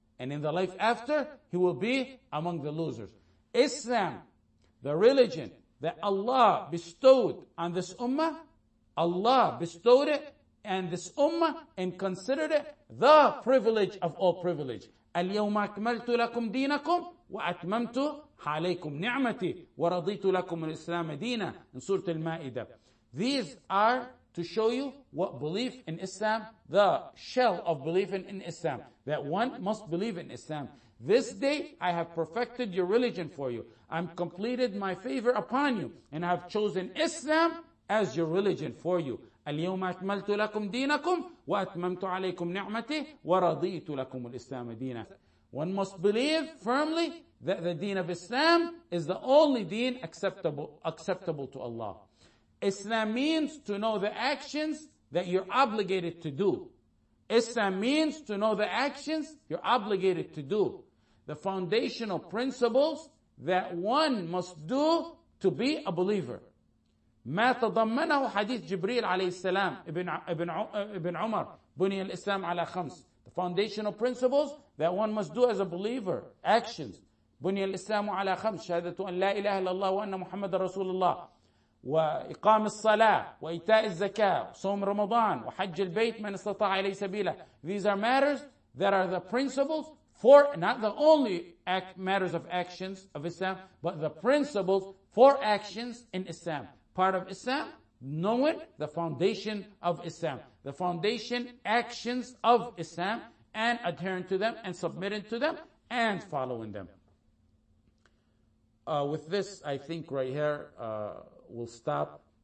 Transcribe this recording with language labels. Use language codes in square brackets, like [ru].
[en] And in the life after, he will be among the losers. Islam, the religion that Allah bestowed on this ummah, Allah bestowed it, and this ummah, and considered it the privilege of all privilege. [ar] الْيَوْمَ أَكْمَلْتُ لَكُمْ دِينَكُمْ وَأَتْمَمْتُ عَلَيْكُمْ نِعْمَتِي وَرَضِيتُ لَكُمْ الْإِسْلَامَ دِينًا [en] in Surah Al-Ma'idah. These are to show you what belief in Islam, the shell of belief in Islam, that one must believe in Islam. This day I have perfected your religion for you. I've completed my favor upon you, and I have chosen Islam as your religion for you. [ar] اليوم أكملت لكم دينكم وأتممت عليكم نعمتي ورضيت لكم الإسلام دينا. [en] One must believe firmly that the deen of Islam is the only deen acceptable to Allah. Islam means to know the actions that you're obligated to do. Islam means to know the actions you're obligated to do. The foundational principles that one must do to be a believer. [ar] ما تضمنه حديث جبريل عليه السلام ابن عمر بني الإسلام على خمس [en] The foundational principles that one must do as a believer, actions. [ar] بني الإسلام على خمس شهادة أن لا إله إلا الله وأن محمد رسول الله وإقام الصلاة وإيتاء الزكاة صوم رمضان وحج البيت من استطاع إليه سبيله [en] These are matters that are the principles for, not the only matters of actions of Islam, but the principles for actions in Islam. Part of Islam, knowing the foundation of Islam, the foundation actions of Islam, and adhering to them, and submitting to them, and following them. With this, I think right here, we'll stop.